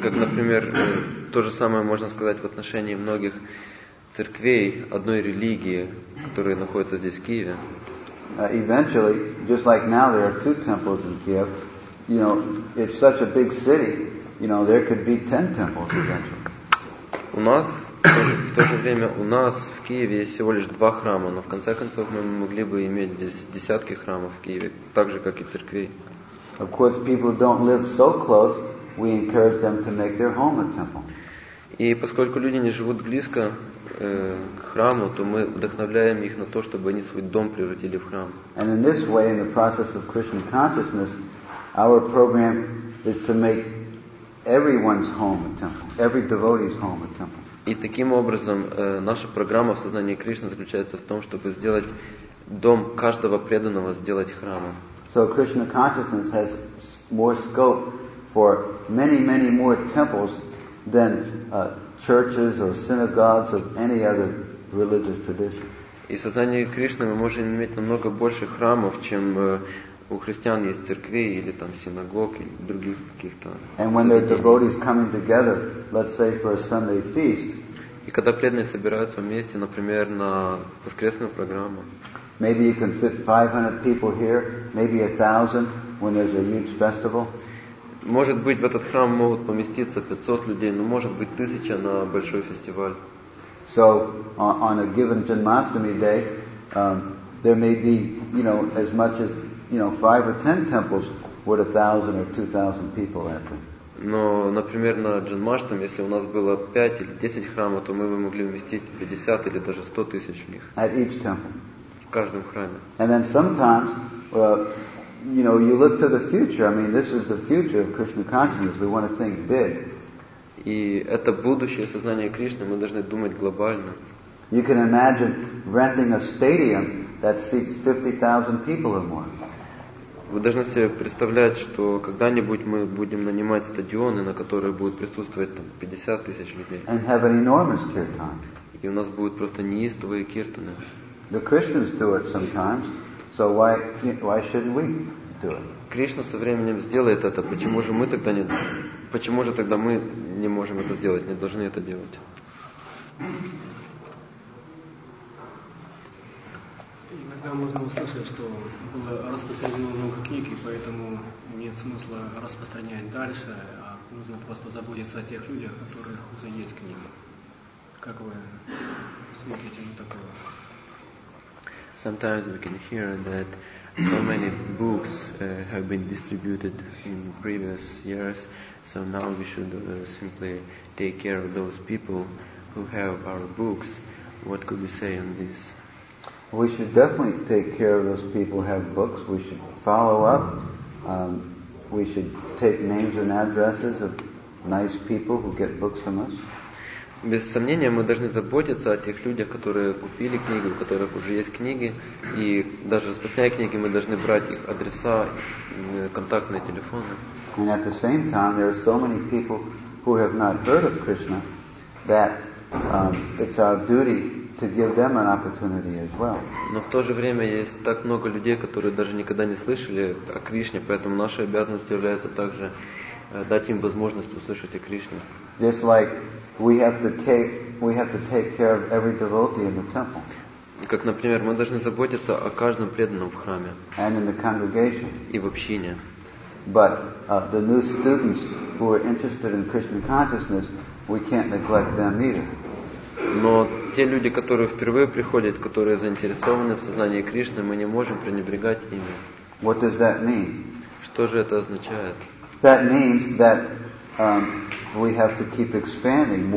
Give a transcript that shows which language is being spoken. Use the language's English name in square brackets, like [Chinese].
[Russian] Как, например, то же самое можно сказать в отношении многих церквей одной религии, которая находится здесь в Киеве. [English] Eventually, just like now, there are two temples in Kiev. You know, it's such a big city. You know, there could be 10 temples eventually. [Russian] У нас в то же время у нас в Киеве есть всего лишь два храма, но в конце концов мы могли бы иметь здесь десятки храмов в Киеве, так же как и церквей. [English] Of course, people don't live so close. We encourage them to make their home a temple. [Russian] И поскольку люди не живут близко к храму, то мы вдохновляем их на то, чтобы они свой дом превратили в храм. [English] And in this way, in the process of Krishna consciousness, our program is to make everyone's home a temple, every devotee's home a temple. [Russian] И таким образом наша программа в сознании Кришны заключается в том, чтобы сделать дом каждого преданного сделать храмом. [English] So Krishna consciousness has more scope for many, many more temples than churches or synagogues of any other religious tradition. [Russian] И сознание Кришны мы можем иметь намного больше храмов, чем у христиан есть церкви или там синагог или других каких-то. [English] And when their devotees coming together, let's say for a Sunday feast. [Russian] И когда преданные собираются вместе, например, на воскресную программу. [English] Maybe you can fit 500 people here, maybe 1,000 when there's a huge festival. [Russian] Может быть, в этот храм могут поместиться 500 людей, но может быть 1,000 на большой фестиваль. [English] So on a given Janmashtami day, there may be, you know, as much as, you know, 5 or 10 temples with 1,000 or 2,000 people at them. [Russian] Но, например, на Джанмаштам, если у нас было 5 или 10 храмов, то мы бы могли уместить 50 или даже 100 тысяч в них. [English] At each temple. [Russian] В каждом храме. [English] And then sometimes, you know, you look to the future. I mean, this is the future of Krishna consciousness. We want to think big. [Russian] И это будущее сознания Кришны. Мы должны думать глобально. [English] You can imagine renting a stadium that seats 50,000 people or more. [Russian] Вы должны себе представлять, что когда-нибудь мы будем нанимать стадионы, на которые будет присутствовать там 50 тысяч людей. [English] And have an enormous kirtan. [Russian] И у нас будут просто неистовые киртаны. [English] The Christians do it sometimes, so why shouldn't we do it? [Russian] Кришна со временем сделает это. Почему же мы тогда не? Почему же тогда мы не можем это сделать? Не должны это делать? Иногда можно услышать, что было распространено много книг, и поэтому нет смысла распространять дальше, а нужно просто заботиться о тех людях, которые уже есть книги. Как вы смотрите на такое? [English] Sometimes we can hear that so many books have been distributed in previous years, so now we should simply take care of those people who have our books. What could we say on this? We should definitely take care of those people who have books. We should follow up. We should take names and addresses of nice people who get books from us. [Russian] Без сомнения, мы должны заботиться о тех людях, которые купили книги, у которых уже есть книги, и даже распространяя книги, мы должны брать их адреса, контактные телефоны. [English] And at the same time, there are so many people who have not heard of Krishna that it's our duty to give them an opportunity as well. [Russian] Но в то же время есть так много людей, которые даже никогда не слышали о Кришне, поэтому наша обязанность является также дать им возможность услышать о Кришне. [English] Just like we have to take care of every devotee in the temple. [Russian] И как, например, мы должны заботиться о каждом преданном в храме. [English] And in the congregation. [Russian] И в общине. [English] But the new students who are interested in Krishna consciousness, we can't neglect them either. [Russian] Но те люди, которые впервые приходят, которые заинтересованы в сознании Кришны, мы не можем пренебрегать ими. [English] What does that mean? [Russian] Что же это означает? [English] That means that we have to keep expanding.